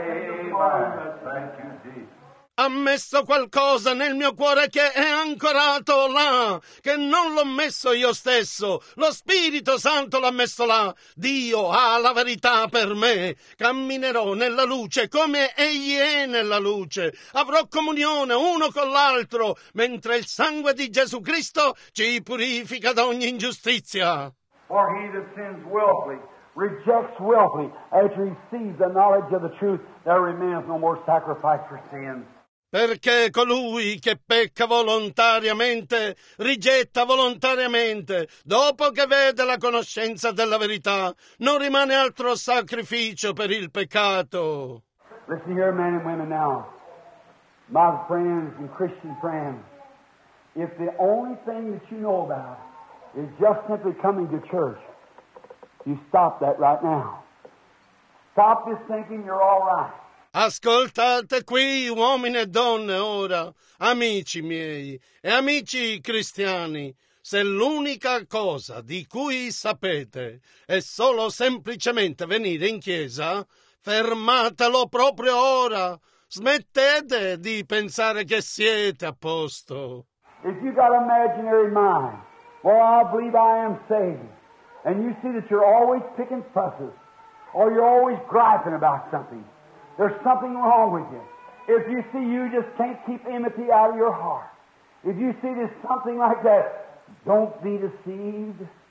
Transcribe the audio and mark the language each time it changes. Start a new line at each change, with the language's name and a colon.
English: Amen. Thank you, Jesus.
Italian: Ha messo qualcosa nel mio cuore che è ancorato là, che non l'ho messo io stesso. Lo Spirito Santo l'ha messo là. Dio ha la verità per me. Camminerò nella luce come Egli è nella luce. Avrò comunione uno con l'altro, mentre il sangue di Gesù Cristo ci purifica da ogni ingiustizia.
English: For he that sins willfully rejects willfully, as he sees the knowledge of the truth, there remains no more sacrifice for sin.
Italian: Perché colui che pecca volontariamente, rigetta volontariamente, dopo che vede la conoscenza della verità, non rimane altro sacrificio per il peccato.
English: Listen here, men and women now, my friends and Christian friends, if the only thing that you know about is just simply coming to church, you stop that right now. Stop this thinking you're all right.
Italian: Ascoltate qui, uomini e donne, ora, amici miei e amici cristiani, se l'unica cosa di cui sapete è solo semplicemente venire in chiesa, fermatelo proprio ora. Smettete di pensare che siete a posto.
English: If you got an imaginary mind, well, I believe I am saved, and you see that you're always picking fusses, or you're always griping about something, there's something wrong with you. If you see you just can't keep enmity out of your heart, if you see there's something like that, don't be deceived.